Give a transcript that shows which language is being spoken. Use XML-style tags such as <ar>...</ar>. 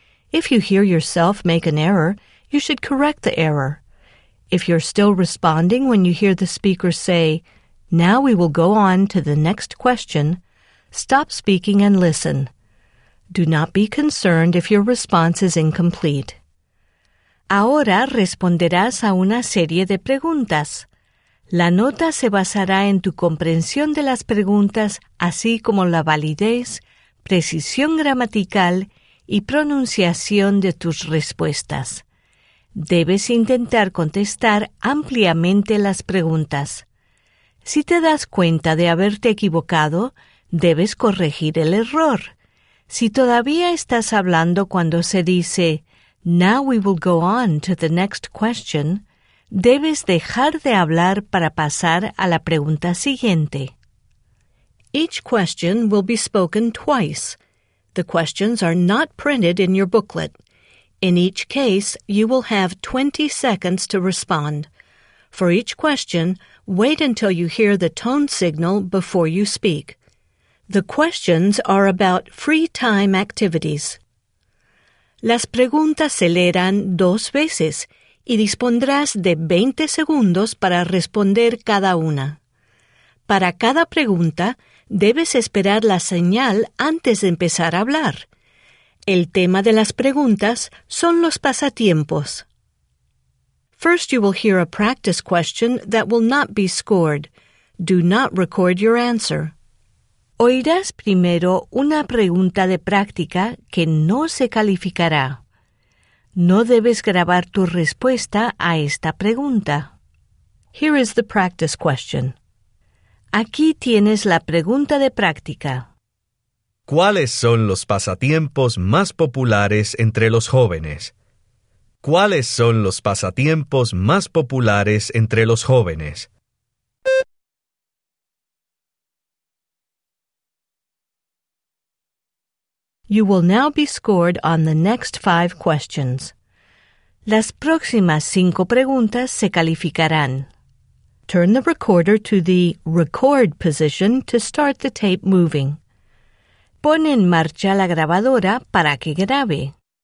<en>If you hear yourself make an error, you should correct the error. If you're still responding when you hear the speaker say, "Now we will go on to the next question," stop speaking and listen. Do not be concerned if your response is incomplete.</en> <es>Ahora responderás a una serie de preguntas. La nota se basará en tu comprensión de las preguntas, así como la validez, precisión gramatical y pronunciación de tus respuestas. Debes intentar contestar ampliamente las preguntas. Si te das cuenta de haberte equivocado, debes corregir el error. Si todavía estás hablando cuando se dice,</es> <en>"Now we will go on to the next question,"</en> <es>debes dejar de hablar para pasar a la pregunta siguiente.</es> <en>Each question will be spoken twice. The questions are not printed in your booklet. In each case, you will have 20 seconds to respond. For each question, wait until you hear the tone signal before you speak. The questions are about free time activities.</en> <es>Las preguntas se leerán dos veces y dispondrás de 20 segundos para responder cada una. Para cada pregunta, debes esperar la señal antes de empezar a hablar. El tema de las preguntas son los pasatiempos.</es> <en>First, you will hear a practice question that will not be scored. Do not record your answer.</en> <es>Oirás primero una pregunta de práctica que no se calificará. No debes grabar tu respuesta a esta pregunta.</es> <en>Here is the practice question.</en> <es>Aquí tienes la pregunta de práctica. ¿Cuáles son los pasatiempos más populares entre los jóvenes? ¿Cuáles son los pasatiempos más populares entre los jóvenes?</es> <en>You will now be scored on the next 5 questions.</en> <es>Las próximas 5 preguntas se calificarán.</es> <en>Turn the recorder to the record position to start the tape moving.</en> <es>Pon en marcha la grabadora para que grabe.</es>